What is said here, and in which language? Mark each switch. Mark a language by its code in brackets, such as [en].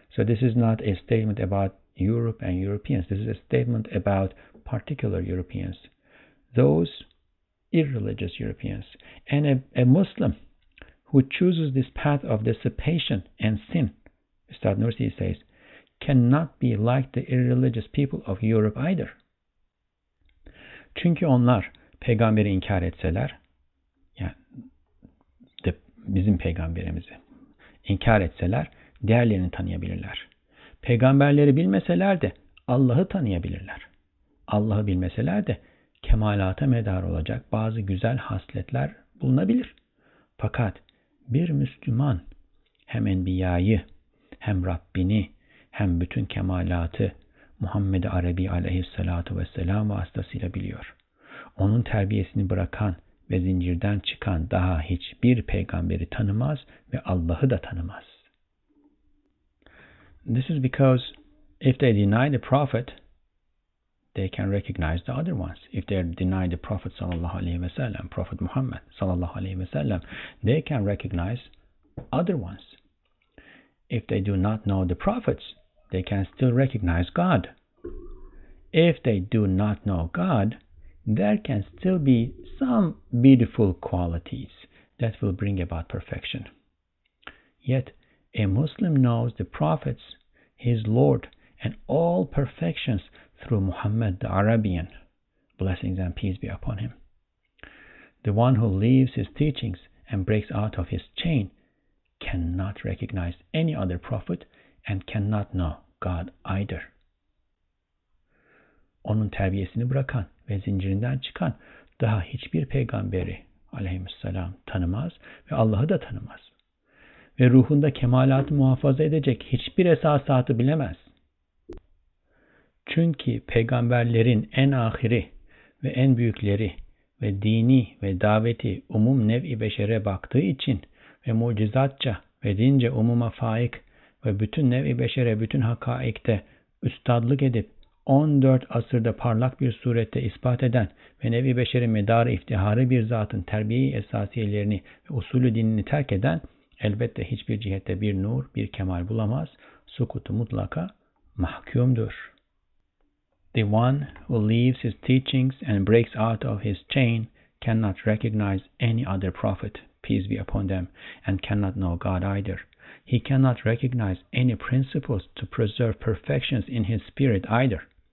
[en] So this is not a statement about Europe and Europeans. This is a statement about particular Europeans, those irreligious Europeans, and a Muslim who chooses this path of dissipation and sin, Ustad Nursi says, cannot be like the irreligious people of Europe either. [tr] Çünkü onlar peygamberi inkar etseler, yani bizim peygamberimizi inkar etseler, diğerlerini tanıyabilirler. Peygamberleri bilmeseler de Allah'ı tanıyabilirler. Allah'ı bilmeseler de kemalata medar olacak bazı güzel hasletler bulunabilir. Fakat bir Müslüman hem Enbiya'yı, hem Rabbini, hem bütün kemalatı Muhammed-i Arabi aleyhissalatu vesselam vasıtasıyla biliyor. Onun terbiyesini bırakan ve zincirden çıkan daha hiçbir peygamberi tanımaz ve Allah'ı da tanımaz. [en] This is because if they deny the Prophet, they can recognize the other ones. If they deny the Prophet sallallahu aleyhi ve sellem, Prophet Muhammad sallallahu aleyhi ve sellem, they can recognize other ones. If they do not know the prophets, they can still recognize God. If they do not know God, there can still be some beautiful qualities that will bring about perfection. Yet, a Muslim knows the prophets, his Lord, and all perfections through Muhammad the Arabian, blessings and peace be upon him. The one who leaves his teachings and breaks out of his chain cannot recognize any other prophet and cannot know God either. [tr] Onun terbiyesini bırakan ve zincirinden çıkan daha hiçbir peygamberi aleyhisselam tanımaz ve Allah'ı da tanımaz. Ve ruhunda kemalatı muhafaza edecek hiçbir esasatı bilemez. Çünkü peygamberlerin en ahiri ve en büyükleri ve dini ve daveti umum nev-i beşere baktığı için ve mucizatça ve dince umuma faik ve bütün nev-i beşere bütün hakaikte üstadlık edip 14 asırda parlak bir surette ispat eden ve nev-i beşerin medarı iftiharı bir zatın terbiye-i esasiyelerini ve usulü dinini terk eden elbette hiçbir cihette bir nur, bir kemal bulamaz, sukutu mutlaka mahkumdur. [en] The one who leaves his teachings and breaks out of his chain cannot recognize any other prophet, peace be upon them, and cannot know God either. He cannot recognize any principles to preserve perfections in his spirit either.